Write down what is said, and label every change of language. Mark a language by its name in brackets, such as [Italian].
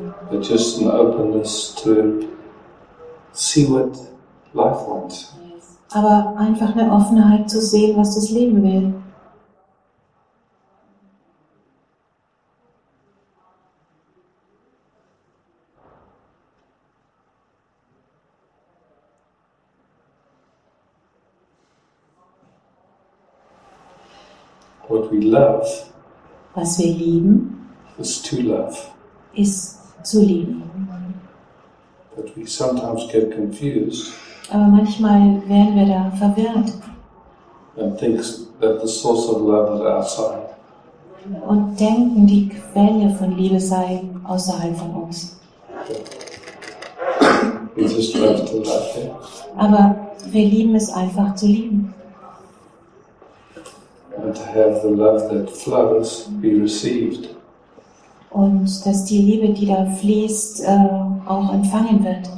[English] But just an openness to see what life wants. [German] Aber einfach eine Offenheit zu sehen, was das Leben will. [English] What we love, [German] was wir lieben, [English] is to love, [German] ist zu lieben. [English] But we sometimes get confused. [German] Aber manchmal werden wir da verwirrt. [English] And think that the source of love is outside. [German] Und denken, die Quelle von Liebe sei außerhalb von uns. [English] We just love to love, yeah? [German] Aber wir lieben es einfach zu lieben. [English] And to have the love that flows be received. [German] Und dass die Liebe, die da fließt, auch empfangen wird.